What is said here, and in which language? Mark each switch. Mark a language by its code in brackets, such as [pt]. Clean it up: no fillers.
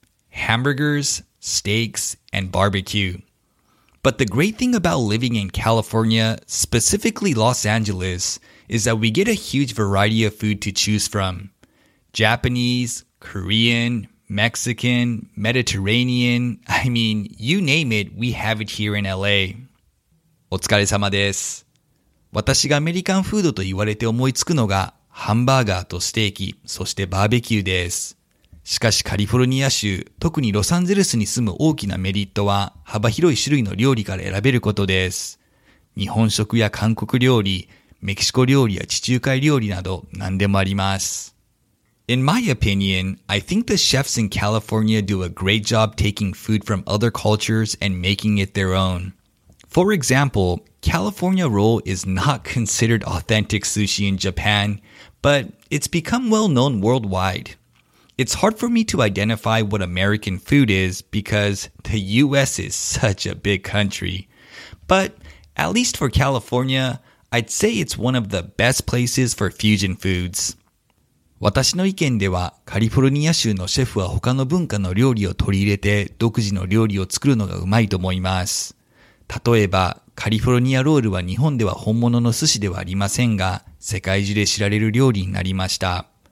[en] Hamburgers, steaks, and barbecue. But the great thing about living in California, specifically Los Angeles, is that we get a huge variety of food to choose from. Japanese, Korean, Mexican, Mediterranean, I mean, you name it, we have it here in LA. [ja] お疲れ様です。私がアメリカンフードと言われて思いつくのがハンバーガーとステーキ、そしてバーベキューです。しかしカリフォルニア州、特にロサンゼルスに住む大きなメリットは幅広い種類の料理から選べることです。日本食や韓国料理、メキシコ料理や地中海料理など何でもあります。 [en] In my opinion, I think the chefs in California do a great job taking food from other cultures and making it their own. For example, California roll is not considered authentic sushi in Japan, but it's become well known worldwide. It's hard for me to identify what American food is because the US is such a big country. But at least for California, I'd say it's one of the best places for fusion foods. [ja] 私の意見では、カリフォルニア州のシェフは他の文化の料理を取り入れて、独自の料理を作るのがうまいと思います。例えば、カリフォルニアロールは日本では本物の寿司ではありませんが、世界中で知られる料理になりました。